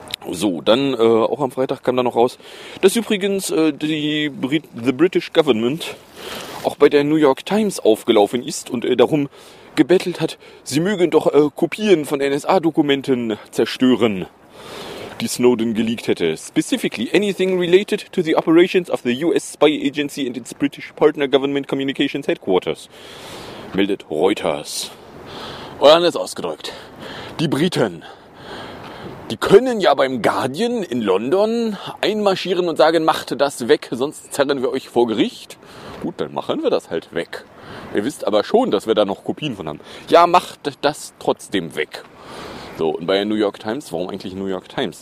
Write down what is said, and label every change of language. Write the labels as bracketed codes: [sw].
[de] So, dann auch am Freitag kam da noch raus, dass übrigens [en] the British Government [de] auch bei der New York Times aufgelaufen ist und darum gebettelt hat, sie mögen doch Kopien von NSA-Dokumenten zerstören, die Snowden geleakt hätte. [en] Specifically, anything related to the operations of the US Spy Agency and its British Partner Government Communications Headquarters, [de] meldet Reuters. Oder anders ausgedrückt, die Briten, die können ja beim Guardian in London einmarschieren und sagen, macht das weg, sonst zerren wir euch vor Gericht. Gut, dann machen wir das halt weg. Ihr wisst aber schon, dass wir da noch Kopien von haben. Ja, macht das trotzdem weg. So, und bei New York Times, warum eigentlich New York Times?